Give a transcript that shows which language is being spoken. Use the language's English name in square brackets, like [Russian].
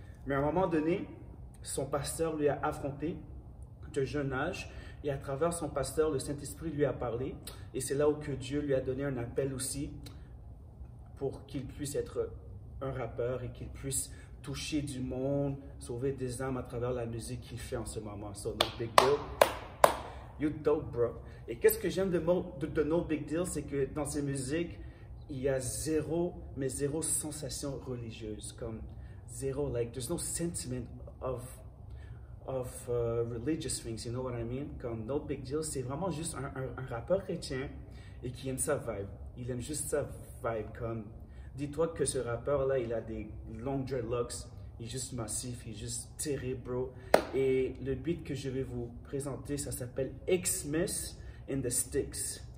[French] Mais à un moment donné, son pasteur lui a affronté de jeune âge, et à travers son pasteur, le Saint-Esprit lui a parlé, et c'est là où que Dieu lui a donné un appel aussi pour qu'il puisse être un rappeur et qu'il puisse toucher du monde, sauver des âmes à travers la musique qu'il fait en ce moment. So, No Big Deal, [English] you dope, bro. [French] Et qu'est-ce que j'aime de No Big Deal, c'est que dans ses musiques, il y a zéro, mais zéro sensation religieuse. Comme [English] zero, like there's no sentiment of religious things, you know what I mean? [French] Comme no big deal, c'est vraiment juste un rappeur chrétien et qui aime sa vibe. Il aime juste sa vibe, comme dis-toi que ce rappeur là, il a des longs dreadlocks, il est juste massif, il est juste terrible, bro. Et le beat que je vais vous présenter, ça s'appelle Xmas in the Sticks.